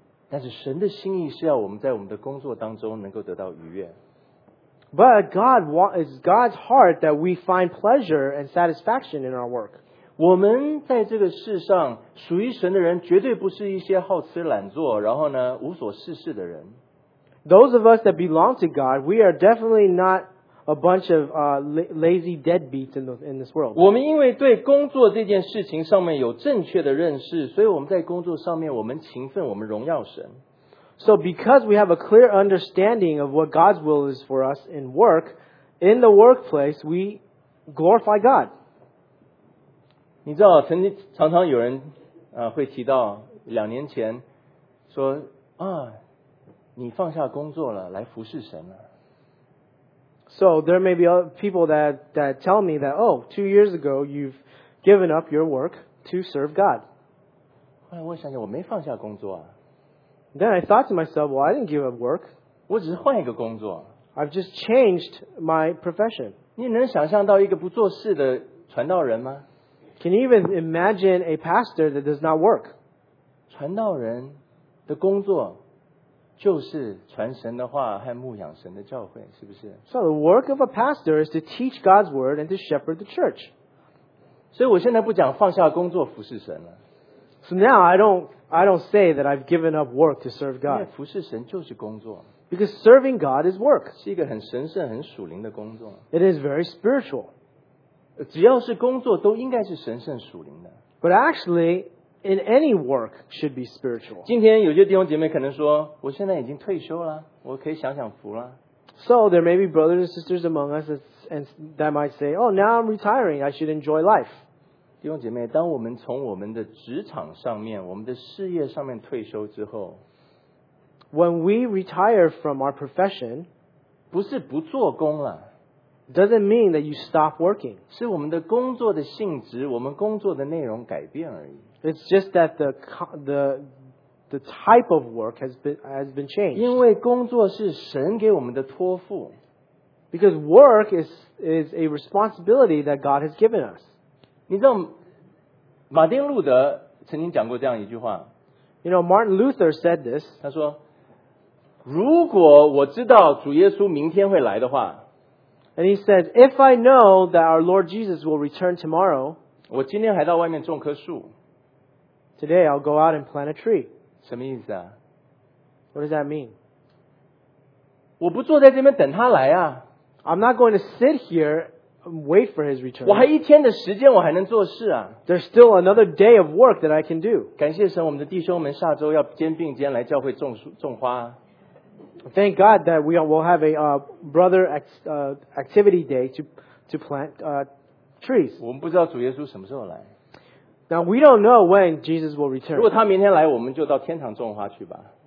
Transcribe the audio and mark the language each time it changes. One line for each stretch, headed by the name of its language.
Chinese: 但是神的心意是要我们在我们的工作当中能够得到愉悦。
English: But God is God's heart that we find pleasure and satisfaction in our work.
Chinese: 我们在这个世上属于神的人绝对不是一些好吃懒做然后呢无所事事的人。
English: Those of us that belong to God, we are definitely not a bunch of lazy deadbeats in this world.
Chinese: 我们因为对工作这件事情上面有正确的认识，所以我们在工作上面我们勤奋，我们荣耀神。
English: So because we have a clear understanding of what God's will is for us in work, in the workplace, we glorify God.
Chinese: 你知道，曾经常常有人会提到两年前说啊。你放下工作了，来服侍神了。
English: So there may be people that tell me that, oh, 2 years ago you've given up your work to serve God.
Chinese: 后来我想想，我没放下工作啊。
English: Then I thought to myself, well, I didn't give up work.
Chinese: 我只是换一个工作。
English: I've just changed my profession.
Chinese: 你能想象到一个不做事的传道人吗？
English: Can you even imagine a pastor that does not work?
Chinese: 传道人的工作。就是传神的话和牧养神的教会，是不是
English: ？So the work of a pastor is to teach God's word and to shepherd the church.
Chinese: 所以我现在不讲放下工作服侍神了。
English: So now I don't say that I've given up work to serve God.
Chinese: 因为服侍神就是工作。
English: Because serving God is work.
Chinese: 是一个很神圣、很属灵的工作。
English: It is very spiritual.
Chinese: 只要是工作，都应该是神圣属灵的。
English: But actually. In any work should be spiritual.
Chinese: 今天有些弟兄姐妹可能说，我现在已经退休了，我可以享享福了。
English: So there may be brothers and sisters among us that might say, "Oh, now I'm retiring. I should enjoy life."
Chinese: 弟兄姐妹，当我们从我们的职场上面、我们的事业上面退休之后
English: When we retire from our profession,
Chinese: 不是不做工了,
English: doesn't mean that you stop working.
Chinese: 是我们的工作的性质, 我们工作的内容改变而已。
English: It's just that the type of work has been changed.
Chinese: 因为工作是神给我们的托付。
English: Because work is a responsibility that God has given us.
Chinese: 你知道, 马丁路德曾经讲过这样一句话,
English: you know, Martin Luther said this.
Chinese: 他说, 如果我知道主耶稣明天会来的话,
English: and he said, if I know that our Lord Jesus will return tomorrow,
Chinese: 我今天还到外面种棵树,
English: today I'll go out and plant a tree.
Chinese: 什么意思啊?
English: What does that mean?
Chinese: 我不坐在这边等他来啊。
English: I'm not going to sit here and wait for his return.
Chinese: 我还一天的时间我还能做事啊。
English: There's still another day of work that I can do.
Chinese: 感谢神我们的弟兄们下周要肩并肩来教会种花。
English: Thank God that we will have a brother activity day to plant trees.
Chinese: 我们不知道主耶稣什么时候来。
English: Now we don't know when Jesus will return.
Chinese: 如果他明天来我们就到天堂种花去吧。